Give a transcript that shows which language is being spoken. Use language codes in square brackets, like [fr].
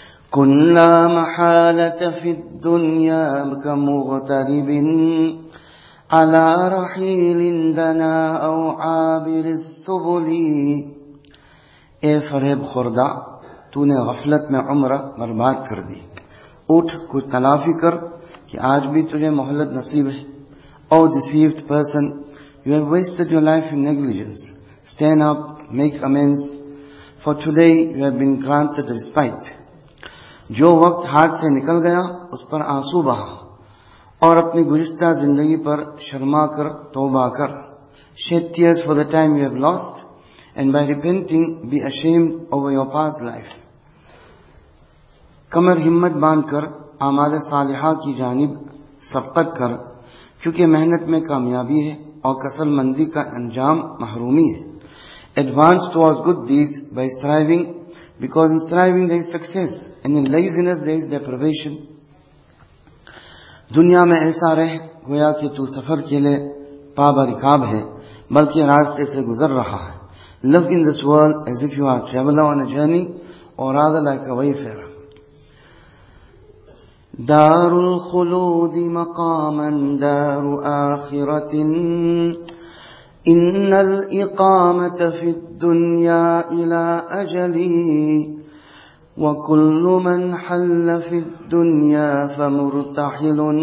[ar] كن لا محالة في الدنيا كمغترب على رحيل دنا أو عابر السبل [ur] اے فرہب خوردہ تو نے غفلت میں عمرہ برباد کر دی, اٹھ کچھ تلافی کر کہ آج بھی تجھے مہلت نصیب ہے. [en] O deceived person, you have wasted your life in negligence. Stand up, make amends, for today you have been granted respite. [ur] جو وقت ہاتھ سے نکل گیا اس پر آنسو بہا اور اپنی گزشتہ زندگی پر شرما کر توبہ کر. [en] Shed tears for the time you have lost and by repenting be ashamed over your past life. [ur] کمر ہمت باندھ کر اعمال صالحہ کی جانب سبقت کر, کیونکہ محنت میں کامیابی ہے اور کسل مندی کا انجام محرومی ہے. [en] Advance towards good deeds by striving, because in striving there is success and in laziness there is deprivation. [ur] دنیا میں ایسا رہ گویا کہ تو سفر کے لئے پابا رکاب ہے بلکہ راستے سے گزر رہا ہے. [en] Live in this world as if you are traveling on a journey or rather like a wayfarer. [ar] دار الخلود مقاما دار آخرة إن الإقامة في الدنيا إلى أجلي وكل من حل في الدنيا فمرتحل